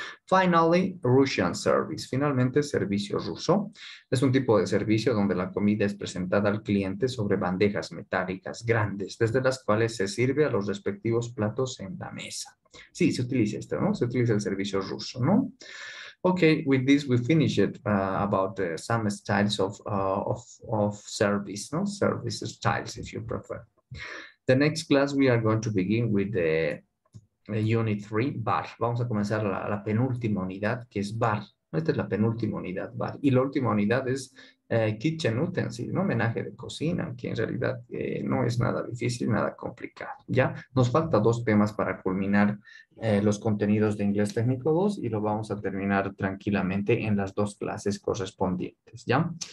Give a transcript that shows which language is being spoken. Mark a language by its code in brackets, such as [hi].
[en] Finally, Russian service. [es] Finalmente, servicio ruso. Es un tipo de servicio donde la comida es presentada al cliente sobre bandejas metálicas grandes, desde las cuales se sirve a los respectivos platos en la mesa. Sí, se utiliza esto, ¿no? Se utiliza el servicio ruso, ¿no? [en] Okay, with this we finish it about some styles of service, no? Service styles, if you prefer. The next class we are going to begin with the unit 3, bar. [es] Vamos a comenzar la penúltima unidad, que es bar. Esta es la penúltima unidad, bar. Y la última unidad es kitchen utensil, ¿no? Homenaje de cocina, que en realidad no es nada difícil, nada complicado, ¿ya? Nos falta dos temas para culminar los contenidos de inglés técnico 2 y lo vamos a terminar tranquilamente en las dos clases correspondientes, ¿ya?